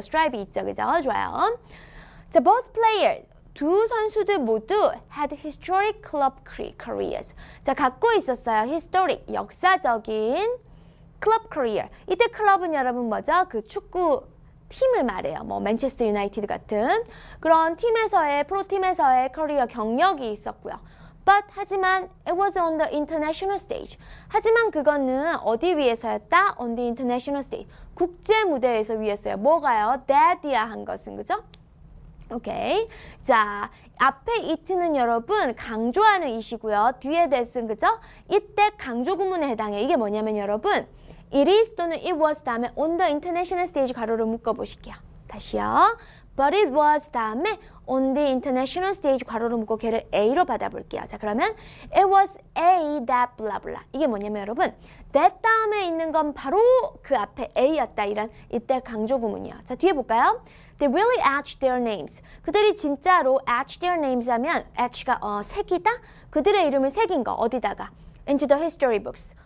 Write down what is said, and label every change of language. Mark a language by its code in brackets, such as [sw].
[ko] 스트라이프 있죠, 그죠? 좋아요. 자, [en] both players, [ko] 두 선수들 모두 [en] had historic club careers. [ko] 자, 갖고 있었어요. historic, 역사적인 club career. 이때 클럽은 여러분 뭐죠? 그 축구 팀을 말해요. 뭐 맨체스터 유나이티드 같은 그런 팀에서의, 프로팀에서의 커리어 경력이 있었고요. [en] But, [ko] 하지만, [en] it was on the international stage. [ko] 하지만 그거는 어디 위에서였다? [en] On the international stage. [ko] 국제 무대에서 위였어요. 뭐가요? that이야 한 것은, 그죠? 오케이. 자, 앞에 it는 여러분 강조하는 이시고요. 뒤에 that은, 그죠? 이때 강조 구문에 해당해요. 이게 뭐냐면 여러분, it is 또는 it was 다음에 [en] on the international stage [ko] 괄호를 묶어보실게요. 다시요. [en] But it was [ko] 다음에 [en] on the international stage [ko] 괄호를 묶고 걔를 A로 받아볼게요. 자 그러면 [en] it was A that blah blah. [ko] 이게 뭐냐면 여러분 that 다음에 있는 건 바로 그 앞에 A였다 이런 이때 강조 구문이야. 자 뒤에 볼까요? [en] They really etched their names. [ko] 그들이 진짜로 [en] etched their names [ko] 하면 etch가 색이다? 그들의 이름을 새긴 거 어디다가? [en] Into the history books.